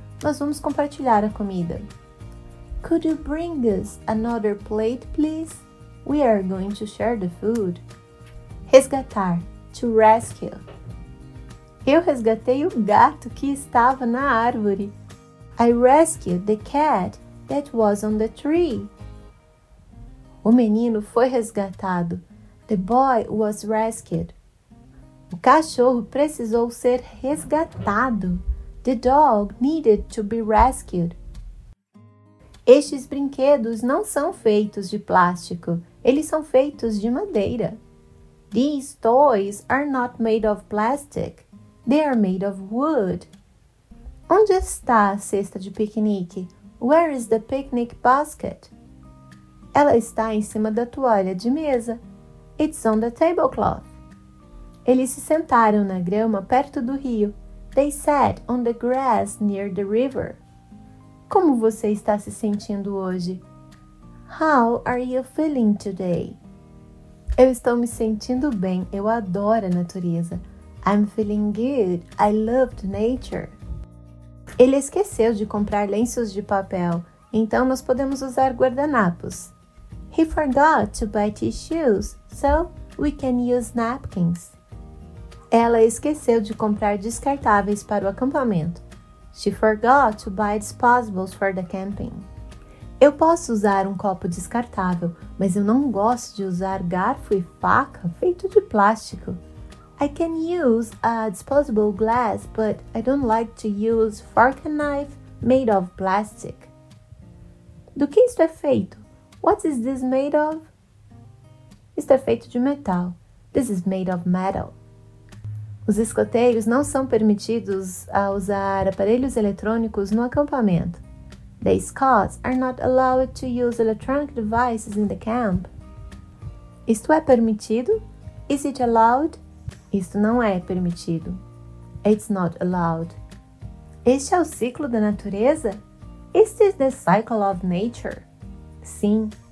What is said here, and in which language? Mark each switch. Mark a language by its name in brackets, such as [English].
[Portuguese] Nós vamos compartilhar a comida. [English] Could you bring us another plate, please? We are going to share the food. Resgatar. To rescue. [Portuguese] Eu resgatei o gato que estava na árvore. [English] I rescued the cat that was on the tree. [Portuguese] O menino foi resgatado. [English] The boy was rescued. [Portuguese] O cachorro precisou ser resgatado. [English] The dog needed to be rescued. [Portuguese] Estes brinquedos não são feitos de plástico. Eles são feitos de madeira. [English] These toys are not made of plastic. They are made of wood. [Portuguese] Onde está a cesta de piquenique? [English] Where is the picnic basket? [Portuguese] Ela está em cima da toalha de mesa. [English] It's on the tablecloth. [Portuguese] Eles se sentaram na grama perto do rio. [English] They sat on the grass near the river. [Portuguese] Como você está se sentindo hoje? [English] How are you feeling today? [Portuguese] Eu estou me sentindo bem. Eu adoro a natureza. [English] I'm feeling good. I loved nature. [Portuguese] Ele esqueceu de comprar lenços de papel, então nós podemos usar guardanapos. [English] He forgot to buy tissues, so we can use napkins. [Portuguese] Ela esqueceu de comprar descartáveis para o acampamento. [English] She forgot to buy disposables for the camping. [Portuguese] Eu posso usar um copo descartável, mas eu não gosto de usar garfo e faca feito de plástico. [English] I can use a disposable glass, but I don't like to use fork and knife made of plastic. [Portuguese] Do que isto é feito? [English] What is this made of? [Portuguese] Isto é feito de metal. [English] This is made of metal. [Portuguese] Os escoteiros não são permitidos a usar aparelhos eletrônicos no acampamento. [English] The Scots are not allowed to use electronic devices in the camp. [Portuguese] Isto é permitido? [English] Is it allowed? [Portuguese] Isto não é permitido. [English] It's not allowed. [Portuguese] Este é o ciclo da natureza? [English] Is this the cycle of nature? Sim,